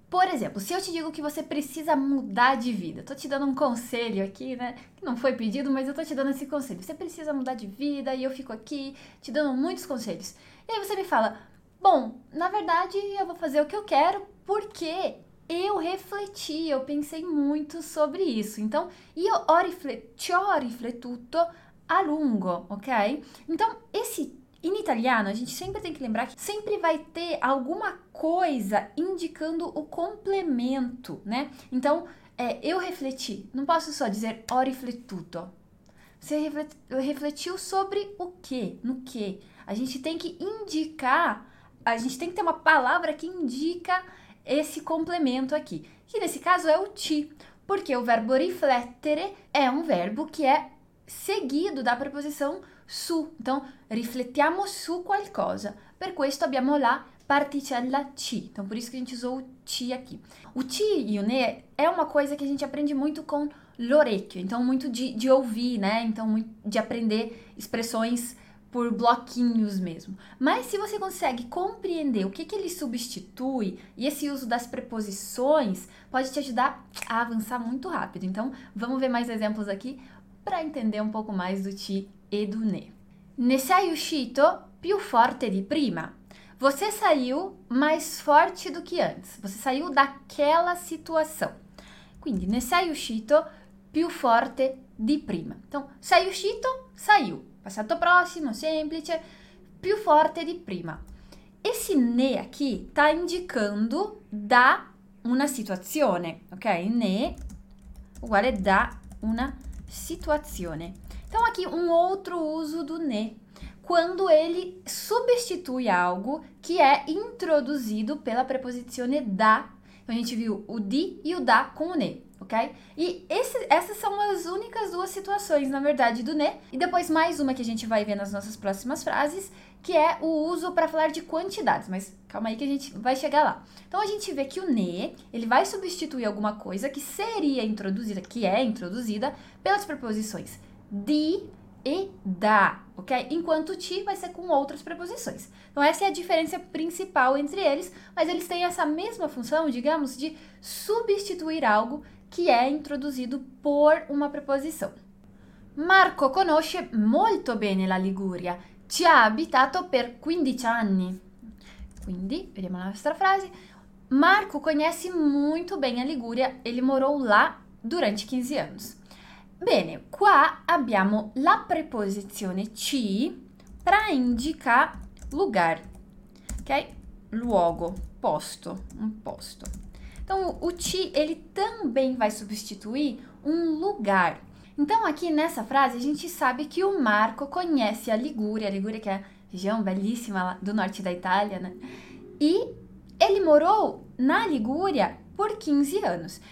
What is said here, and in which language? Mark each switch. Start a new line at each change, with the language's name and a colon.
Portuguese: Por exemplo, se eu te digo que você precisa mudar de vida, tô te dando um conselho aqui, né? Que não foi pedido, mas eu tô te dando esse conselho. Você precisa mudar de vida e eu fico aqui te dando muitos conselhos. E aí você me fala: bom, na verdade eu vou fazer o que eu quero porque eu refleti, eu pensei muito sobre isso.
Italian: Então, io ci ho riflettuto a lungo, ok?
Portuguese: Então, esse em italiano, a gente sempre tem que lembrar que sempre vai ter alguma coisa indicando o complemento, né? Então, eu refleti. Não posso só dizer
Italian: ho riflettuto.
Portuguese: Você refletiu sobre o quê? No quê? A gente tem que indicar, a gente tem que ter uma palavra que indica esse complemento aqui. Que nesse caso é o ti, porque o verbo riflettere é um verbo que é seguido da preposição su. Então,
Italian: riflettiamo su qualcosa. Per questo abbiamo la particella
Portuguese: Particella ci, então por isso que a gente usou o ci aqui. O ci, né, é uma coisa que a gente aprende muito com l'orecchio, então muito de ouvir, né? Então de aprender expressões por bloquinhos mesmo. Mas se você consegue compreender o que que ele substitui e esse uso das preposições, pode te ajudar a avançar muito rápido. Então vamos ver mais exemplos aqui para entender um pouco mais do ci e do né.
Italian: Ne sei uscito più forte di prima.
Portuguese: Você saiu mais forte do que antes. Você saiu daquela situação.
Italian: Quindi, ne sei uscito più forte di prima.
Portuguese: Então,
Italian: sei uscito,
Portuguese: saiu. Passato prossimo, semplice,
Italian: più forte di prima.
Portuguese: Esse ne aqui tá indicando
Italian: da una situazione,
Portuguese: ok?
Italian: Ne uguale da una situazione.
Portuguese: Então, aqui um outro uso do ne. Quando ele substitui algo que é introduzido pela preposizione da. Então, a gente viu o di e o da com o ne, ok? E essas são as únicas duas situações, na verdade, do ne. E depois mais uma que a gente vai ver nas nossas próximas frases, que é o uso para falar de quantidades. Mas calma aí que a gente vai chegar lá. Então a gente vê que o ne, ele vai substituir alguma coisa que seria introduzida, que é introduzida, pelas preposições di e da, ok? Enquanto ti vai ser com outras preposições. Então, essa é a diferença principal entre eles, mas eles têm essa mesma função, digamos, de substituir algo que é introduzido por uma preposição.
Italian: Marco conosce molto bene la Liguria. Ci ha abitato per 15 anni. Quindi, vediamo la nostra frase.
Portuguese: Marco conhece muito bem a Liguria, ele morou lá durante 15 anos.
Italian: Bene, qua abbiamo la preposizione ci
Portuguese: para indicar lugar,
Italian: ok? Luogo, posto, un posto.
Portuguese: Então, o ci, ele também vai substituir um lugar. Então, aqui nessa frase, a gente sabe que o Marco conhece a Ligúria que é a região belíssima do norte da Itália, né? E ele morou na Ligúria por 15 anos.